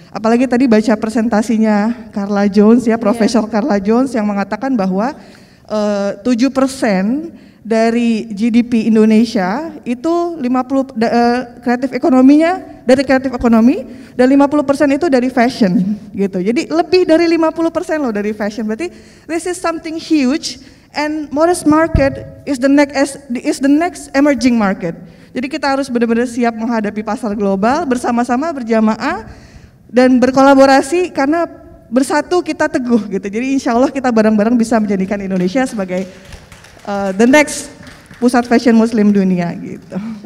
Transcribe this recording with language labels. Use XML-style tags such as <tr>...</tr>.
<id>Apalagi tadi baca presentasinya Carla Jones ya, Profesor Carla Jones yang mengatakan bahwa 7% dari GDP Indonesia itu 50 kreatif ekonominya dari kreatif ekonomi dan 50% itu dari fashion gitu. Jadi lebih dari 50% loh dari fashion.</id> <en>Berarti this is something huge and modest market is the next emerging market.</en> <id>Jadi kita harus benar-benar siap menghadapi pasar global bersama-sama berjamaah dan berkolaborasi karena bersatu kita teguh gitu. Jadi insya Allah kita bareng-bareng bisa menjadikan Indonesia sebagai the next pusat fashion muslim dunia gitu.</id>